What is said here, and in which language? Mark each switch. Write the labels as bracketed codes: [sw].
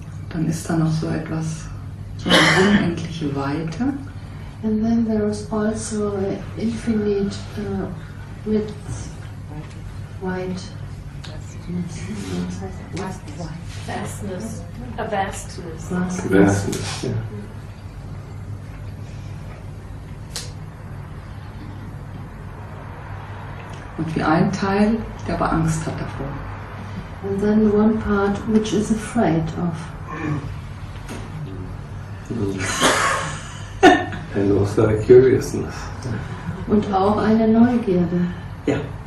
[de] Dann ist da noch so etwas, so eine unendliche Weite. [en] And then there is also an infinite width. [de] Weite. [en] Vastness. A vastness. Vastness, ja. [de] Und wie ein Teil, der aber Angst hat davor. [en] And then one part which is afraid of. And also a curiousness. [de] Und auch eine Neugierde. Ja.